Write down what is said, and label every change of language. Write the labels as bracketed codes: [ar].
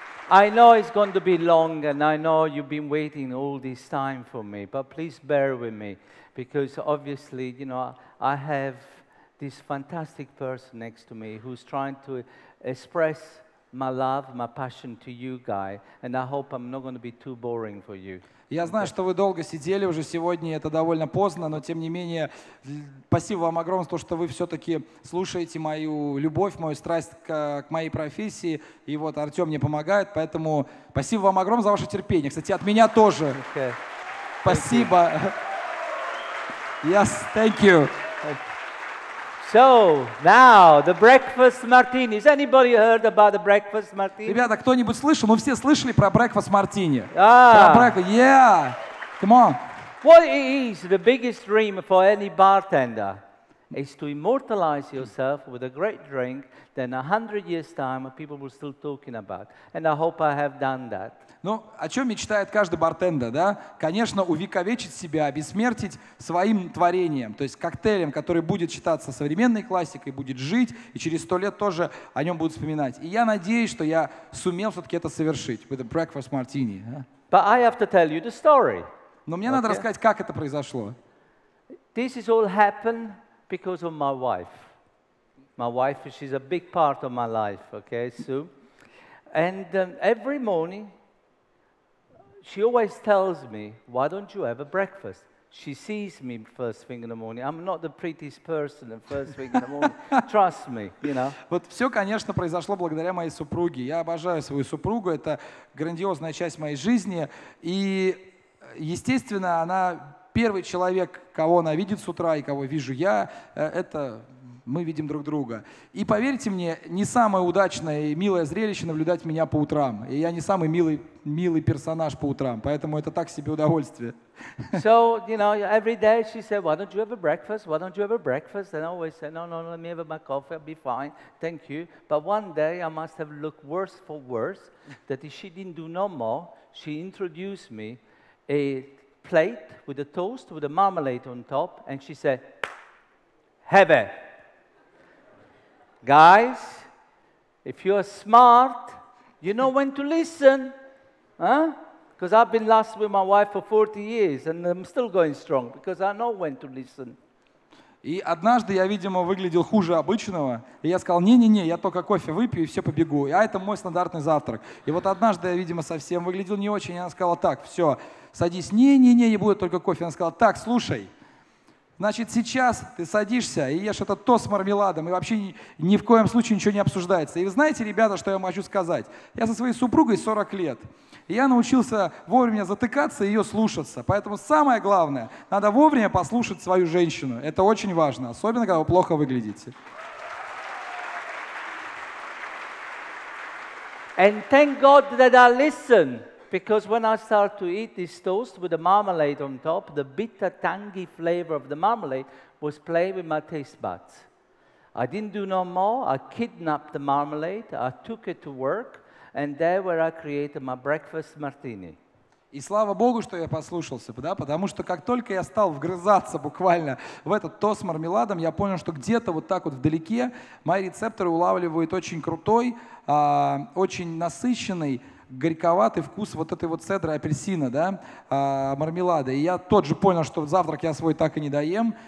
[en] I know it's going to be long, and I know you've been waiting all this time for me, but please bear with me, because obviously, you know, I have this fantastic person next to me who's trying to express my love, my passion to you, Guy, and I hope I'm not going to be too boring for you. [ru] Я знаю, что вы долго сидели уже сегодня, это довольно поздно, но тем не менее, спасибо вам огромное за то, что вы все-таки слушаете мою любовь, мою страсть к моей профессии, и вот Артем мне помогает, поэтому спасибо вам огромное за ваше терпение. Кстати, от меня тоже. [en] Okay. [ru] Спасибо. [en] Yes, thank you. So, now, the breakfast martini. Has anybody heard about the breakfast martini? [ru] Ребята, кто-нибудь слышал? Мы все слышали про breakfast martini. Ah. [en] Yeah. Come on. What is the biggest dream for any bartender? Is to immortalize yourself with a great drink, then 100 years time, people will still talking about. And I hope I have done that. [ru] Ну, о чем мечтает каждый бартендер, да? Конечно, увековечить себя, обессмертить своим творением, то есть коктейлем, который будет считаться современной классикой, будет жить, и через 100 лет тоже о нем будут вспоминать. И я надеюсь, что я сумел все-таки это совершить, [en] with a breakfast martini. But I have to tell you the story. [ru] Но мне надо рассказать, как это произошло. [en] This is all happened because of my wife. My wife, she's a big part of my life, okay, Sue? And every morning, she always tells me, why don't you have a breakfast? She sees me first thing in the morning. I'm not the prettiest person at first thing in the morning. Trust me, you know. [ru] Вот все, конечно, произошло благодаря моей супруге. Я обожаю свою супругу. Это грандиозная часть моей жизни. И, естественно, она первый человек, кого она видит с утра и кого вижу я. Это мы видим друг друга. И поверьте мне, не самое удачное и милое зрелище наблюдать меня по утрам. И я не самый милый персонаж по утрам, поэтому это так себе удовольствие. [en] So, you know, every day she said, why don't you have a breakfast? Why don't you have a breakfast? And I always said, no, let me have my coffee, I'll be fine, thank you. But one day I must have looked worse for worse, that if she didn't do no more, she introduced me a plate with a toast, with a marmalade on top, and she said, have it. Guys, if you are smart, you know when to listen, huh? Because I've been last with my wife for 40 years, and I'm still going strong because I know when to listen. [ru] И однажды я, видимо, выглядел хуже обычного, и я сказал, не-не-не, я только кофе выпью и все побегу. А это мой стандартный завтрак. И вот однажды я, видимо, совсем выглядел не очень, и она сказала, так, все, садись, не-не-не, не будет только кофе. Она сказала, так, слушай, значит, сейчас ты садишься и ешь этот тост с мармеладом, и вообще ни в коем случае ничего не обсуждается. И вы знаете, ребята, что я вам хочу сказать? Я со своей супругой 40 лет, и я научился вовремя затыкаться и ее слушаться. Поэтому самое главное, надо вовремя послушать свою женщину. Это очень важно, особенно, когда вы плохо выглядите. [en] And thank God that I listen. Because when I start to eat this toast with the marmalade on top, the bitter, tangy flavor of the marmalade was playing with my taste buds. I didn't do no more. I kidnapped the marmalade. I took it to work, and there where I created my breakfast martini. [ru] И слава Богу, что я послушался, да, потому что как только я стал вгрызаться буквально в этот тост с мармеладом, я понял, что где-то вот так вот вдалеке мои рецепторы улавливают очень крутой, очень насыщенный, горьковатый вкус вот этой вот цедры апельсина, да, мармелада. И я тот же понял, что завтрак я свой так и не доем.